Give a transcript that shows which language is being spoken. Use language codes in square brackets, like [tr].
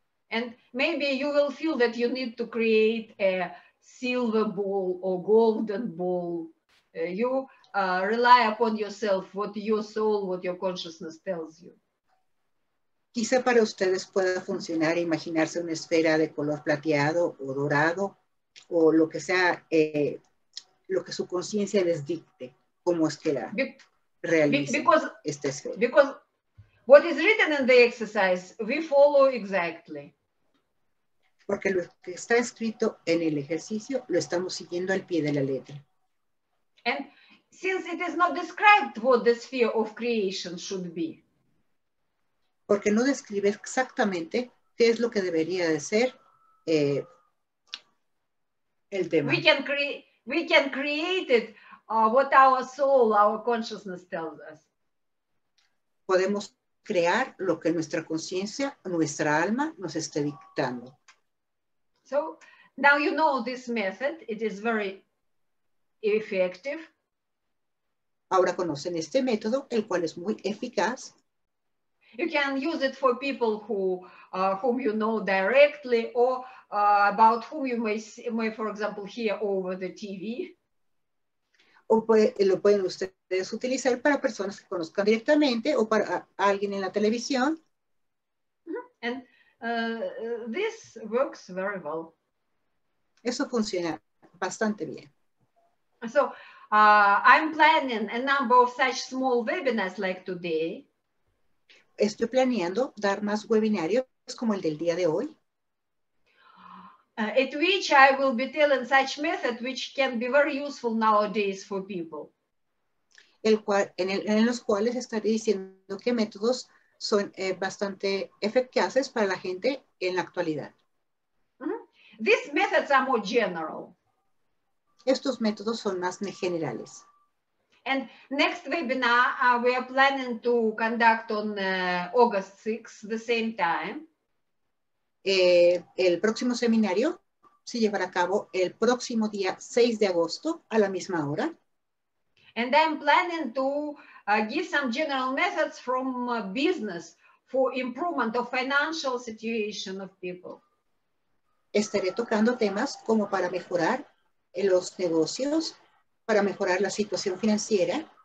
[en] And maybe you will feel that you need to create a silver ball or golden ball. Rely upon yourself, what your soul, what your consciousness tells you. [es] Quizá para ustedes pueda funcionar imaginarse una esfera de color plateado o dorado o lo que sea, lo que su conciencia les dicte, cómo es que la realice esta esfera. [en] Because what is written in the exercise, we follow exactly. [es] Porque lo que está escrito en el ejercicio lo estamos siguiendo al pie de la letra. [en] And since it is not described what the sphere of creation should be. [es] Porque no describe exactamente qué es lo que debería de ser el tema. [en] We can create it, what our soul, our consciousness tells us. [es] Podemos crear lo que nuestra conciencia, nuestra alma nos esté dictando. [en] So, now you know this method. It is very effective. [es] Ahora conocen este método, el cual es muy eficaz. [en] You can use it for people who whom you know directly or about whom you may for example hear over the TV. [es] O lo pueden ustedes utilizar para personas que conozcan directamente o para alguien en la televisión. [en] And this works very well. [es] Eso funciona bastante bien. [en] So I'm planning a number of such small webinars like today. [es] Estoy planeando dar más webinarios como el del día de hoy. [en] At which I will be telling such method which can be very useful nowadays for people. [es] En los cuales estaré diciendo qué métodos son bastante eficaces para la gente en la actualidad. [en] Mm-hmm. These methods are more general. [es] Estos métodos son más generales. [en] And next webinar we are planning to conduct on August 6th, the same time. [es] El próximo seminario se llevará a cabo el próximo día 6 de agosto a la misma hora. [en] And I'm planning to give some general methods from business for improvement of financial situation of people. [es] Estaré tocando temas como para mejorar los negocios, para mejorar la situación financiera.